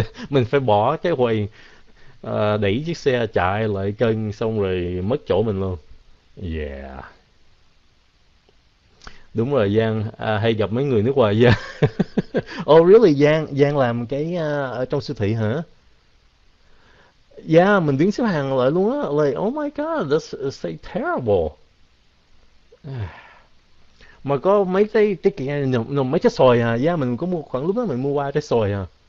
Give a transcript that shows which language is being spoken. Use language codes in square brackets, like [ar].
[vi] Mình phải bỏ cái quầy, đẩy chiếc xe chạy lại cân, xong rồi mất chỗ mình luôn. Yeah, đúng rồi Giang, hay gặp mấy người nước ngoài Giang. Yeah. [en] Oh really [vi] Giang, Giang làm cái ở trong siêu thị hả? Yeah, mình đứng xếp hàng lại luôn á. [en] Like, oh my god, this is so terrible. [vi] Mà có mấy cái trái kẹo, mấy trái xoài à. Yeah, mình có mua, khoảng lúc đó mình mua qua trái xoài à.